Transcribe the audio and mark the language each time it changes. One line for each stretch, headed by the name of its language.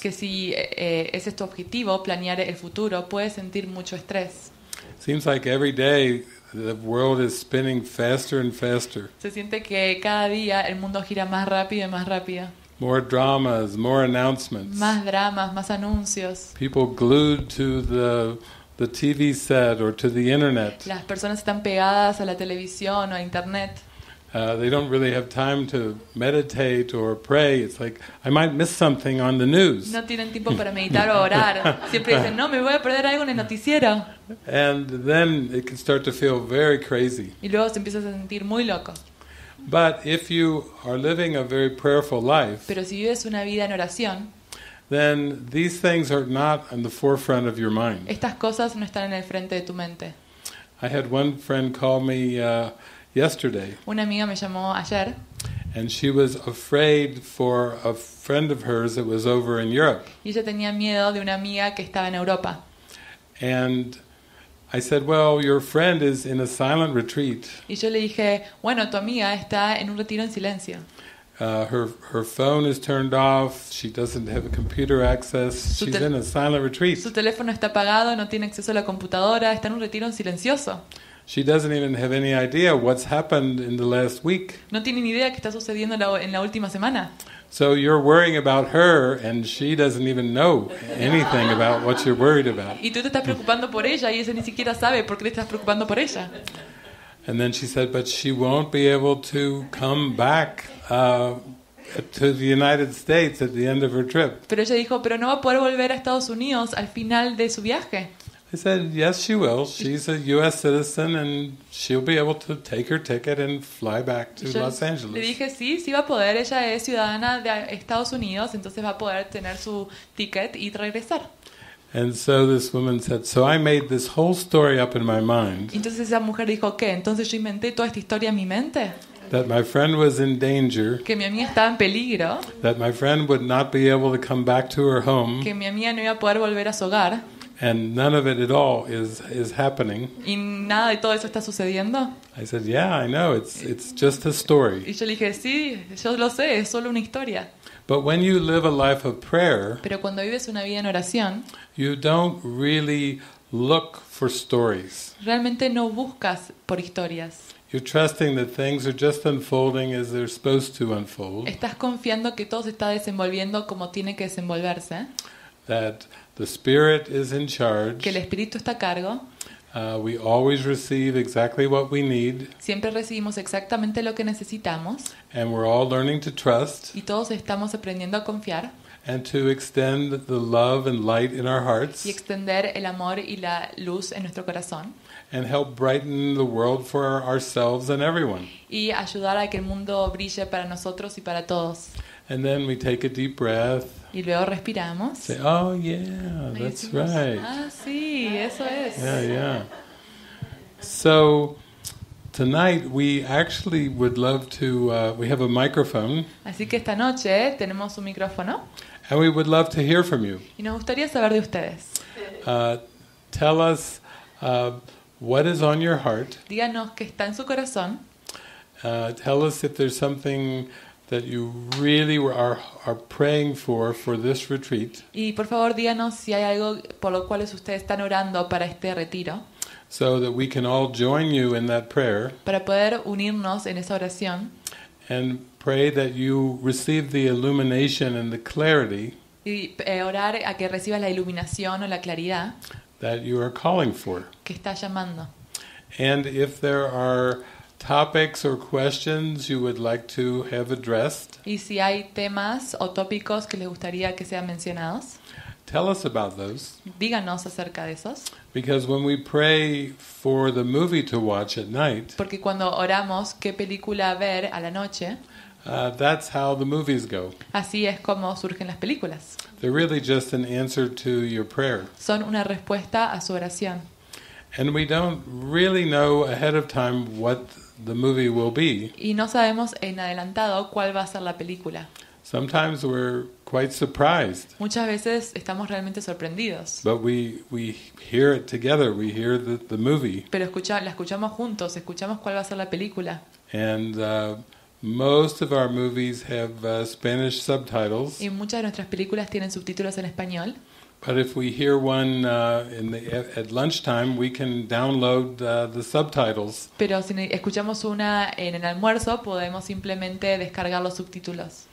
Spanish: Que si ese es tu objetivo, planear el futuro, puedes sentir mucho estrés.
English: Seems like every day the world is spinning faster and faster.
Spanish: Se siente que cada día el mundo gira más rápido y más rápido.
English: More dramas, more announcements.
Spanish: Más dramas, más anuncios.
English: People glued to the TV set or to the internet.
Spanish: Las personas están pegadas a la televisión o a internet.
English: They don't really have time to meditate or pray. It's like I might miss something on the news.
Spanish: No tienen tiempo para meditar o orar. Siempre dicen, "No, me voy a perder algo en el noticiero."
English: And then it can start to feel very crazy.
Spanish: Y luego se empieza a sentir muy loco.
English: But if you are living a very prayerful life,
Spanish: pero si vives una vida en oración,
English: then these things are not in the forefront of your mind.
Spanish: Estas cosas no están en el frente de tu mente.
English: I had one friend call me yesterday.
Spanish: Una amiga me llamó ayer.
English: And she was afraid for a friend of hers that was over in Europe.
Spanish: Y ella tenía miedo de una amiga que estaba en Europa.
English: And I said, "Well, your friend is in a silent retreat."
Spanish: Y yo le dije, "Bueno, tu amiga está en un retiro en silencio."
English: Her phone is turned off. She doesn't have a computer access. She's in a silent retreat.
Spanish: Su teléfono está apagado, no tiene acceso a la computadora, está en un retiro en silencioso.
English: She doesn't even have any idea what's happened in the last week.
Spanish: No tiene ni idea qué está sucediendo en la última semana.
English: So you're worrying about her and she doesn't even know anything about what you're worried about.
Spanish: Y tú te estás preocupando por ella y ella ni siquiera sabe por qué te estás preocupando por ella.
English: And then she said, "But she won't be able to come back to the United States at the end of her trip."
Spanish: Pero ella dijo, "Pero no va a poder volver a Estados Unidos al final de su viaje."
English: I said, "Yes, she will. She's a U.S. citizen, and she'll be able to take her ticket and fly back to Los Angeles."
Spanish: Le dije, "Sí, sí va a poder. Ella es ciudadana de Estados Unidos, entonces va a poder tener su ticket y regresar."
English: And so this woman said, "So I made this whole story up in my mind."
Spanish: Entonces esa mujer dijo, "¿Qué? Entonces yo inventé toda esta historia en mi mente."
English: that my friend was in danger,
Spanish: que mi amiga estaba en peligro,
English: that my friend would not be able to come back to her home,
Spanish: que mi amiga no iba a poder volver a su hogar,
English: and none of it at all is happening.
Spanish: Y nada de todo eso está sucediendo.
English: I said, yeah, I know, it's just a story.
Spanish: Y yo le dije, sí, yo lo sé, es solo una historia.
English: But when you live a life of prayer,
Spanish: pero cuando vives una vida en oración,
English: you don't really look for stories.
Spanish: Realmente no buscas por historias.
English: You're trusting that things are just unfolding as they're supposed to unfold.
Spanish: Estás confiando que todo se está desenvolviendo como tiene que desenvolverse.
English: That the Spirit is in charge.
Spanish: Que el Espíritu está a cargo.
English: We always receive exactly what we need.
Spanish: Siempre recibimos exactamente lo que necesitamos.
English: And we're all learning to trust.
Spanish: Y todos estamos aprendiendo a confiar.
English: And to extend the love and light in our hearts.
Spanish: Y extender el amor y la luz en nuestro corazón.
English: And help brighten the world for ourselves and everyone.
Spanish: Y ayudar a que el mundo brille para nosotros y para todos.
English: And then we take a deep breath.
Spanish: Y luego respiramos.
English: Say, oh yeah, that's right.
Spanish: Ah, sí, eso es.
English: Yeah, yeah. So tonight we actually would love to. We have a microphone.
Spanish: Así que esta noche tenemos un micrófono.
English: And we would love to hear from you.
Spanish: Y nos gustaría saber de ustedes.
English: Tell us what is on your heart.
Spanish: Díganos qué está en su corazón.
English: Tell us if there's something that you really are praying for this retreat.
Spanish: Y por favor, díganos si hay algo por lo cual ustedes están orando para este retiro.
English: So that we can all join you in that prayer.
Spanish: Para poder unirnos en esa oración.
English: And pray that you receive the illumination and the clarity.
Spanish: Y orar a que recibas la iluminación o la claridad.
English: That you are calling for.
Spanish: Que estás llamando.
English: And if there are topics or questions you would like to have addressed.
Spanish: Y si hay temas o tópicos que les gustaría que sean mencionados.
English: Tell us about those.
Spanish: Díganos acerca de esos.
English: Because when we pray for the movie to watch at night.
Spanish: Porque cuando oramos qué película ver a la noche.
English: That's how the movies go.
Spanish: Así es como surgen las películas.
English: They're really just an answer to your prayer.
Spanish: Son una respuesta a su oración.
English: And we don't really know ahead of time what the movie will be.
Spanish: Y no sabemos en adelantado cuál va a ser la película.
English: Sometimes we're quite surprised.
Spanish: Muchas veces estamos realmente sorprendidos.
English: But we hear it together. We hear the movie.
Spanish: Pero la escuchamos juntos. Escuchamos cuál va a ser la película.
English: And most of our movies have Spanish subtitles.
Spanish: Y muchas de nuestras películas tienen subtítulos en español.
English: But if we hear one at lunchtime, we can download the subtitles.
Spanish: Pero si escuchamos una en el almuerzo, podemos simplemente descargar los subtítulos.